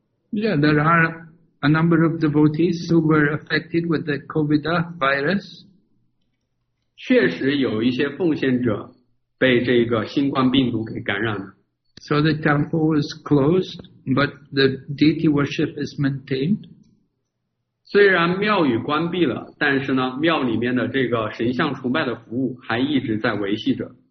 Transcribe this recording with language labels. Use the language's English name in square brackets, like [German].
[English] Yeah, there are a number of devotees who were affected with the COVID virus. [Chinese] 确实有一些奉献者被这个新冠病毒给感染了。 [English] So the temple is closed, but the deity worship is maintained. [Chinese] 虽然庙宇关闭了，但是呢，庙里面的这个神像崇拜的服务还一直在维系着。